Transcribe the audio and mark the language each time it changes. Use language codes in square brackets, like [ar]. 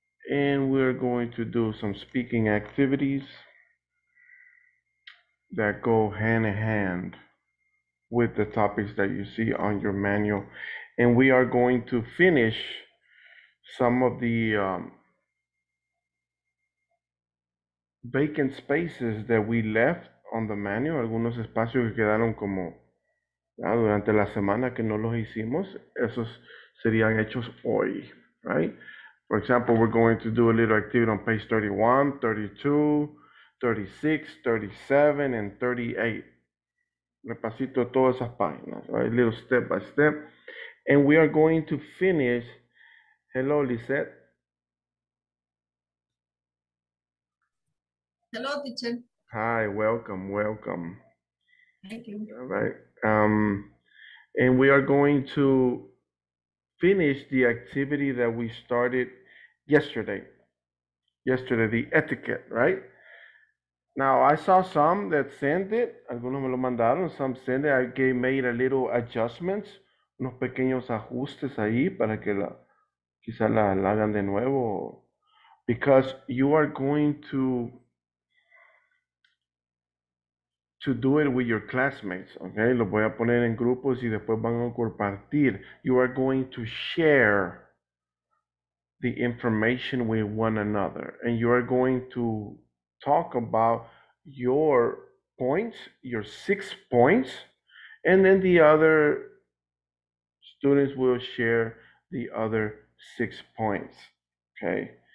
[en] And we're going to do some speaking activities that go hand in hand with the topics that you see on your manual. And we are going to finish some of the vacant spaces that we left on the manual. [es] Algunos espacios que quedaron como durante la semana que no los hicimos, esos serían hechos hoy, right? [en] For example, we're going to do a little activity on page 31, 32, 36, 37, and 38. [es] Repasito todas esas páginas, [en] right? Little step by step. And we are going to finish. Hello, Lisette. Hello, teacher. Hi, welcome, welcome. Thank you. All right. And we are going to finish the activity that we started yesterday. Yesterday, the etiquette, right? Now, I saw some that sent it. [es] Algunos me lo mandaron, [en] some sent it. I made a little adjustments. [es] Unos pequeños ajustes ahí para que la, quizá la, la hagan de nuevo. [en] Because you are going to do it with your classmates, okay? [es] Los voy a poner en grupos y después van a compartir. [en] You are going to share the information with one another. And you are going to talk about your points, your 6 points, and then the other students will share the other 6 points, okay?